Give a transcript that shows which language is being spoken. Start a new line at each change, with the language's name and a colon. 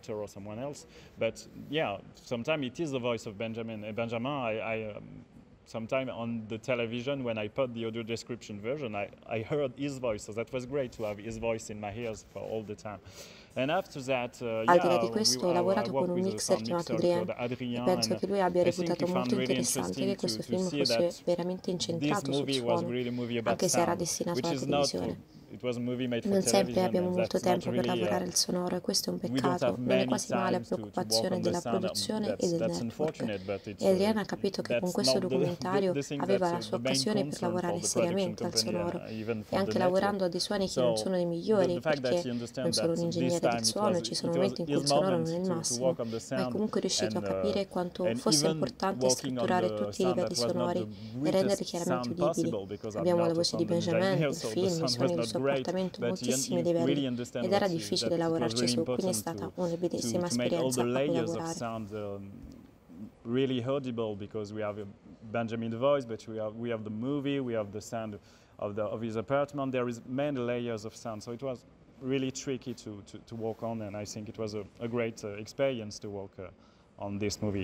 English: actor or someone else, but yeah, sometimes it is the voice of Benjamin. Benjamin, I sometime on the television when I put the audio description version, I heard his voice, so that was great to have his voice in my ears for all the time. And after that,
Italian: al di là di questo, ho lavorato con un mixer chiamato Adrien. Penso che lui abbia reputato molto interessante che questo film fosse veramente incentrato sul suono, anche se era destinato alla televisione. Non sempre abbiamo molto tempo per lavorare il sonoro e questo è un peccato. Non è quasi male la preoccupazione della produzione e del network. E Adrien ha capito che con questo documentario aveva la sua occasione per lavorare seriamente al sonoro e anche lavorando a dei suoni che non sono i migliori, perché non sono un ingegnere del suono e ci sono momenti in cui il sonoro non è il massimo, ma è comunque riuscito a capire quanto fosse importante strutturare tutti i livelli sonori e renderli chiaramente udibili. Abbiamo la voce di Benjamin, il film, i suoni del suo portamento, moltissimi livelli, ed era difficile lavorarci su, quindi è stata una bellissima esperienza a cui lavorare.
English: Really audible because we have a Benjamin voice, but we have the movie, we have the sound of his apartment. There is many layers of sound, so it was really tricky to walk on, and I think it was a great experience to walk on this movie.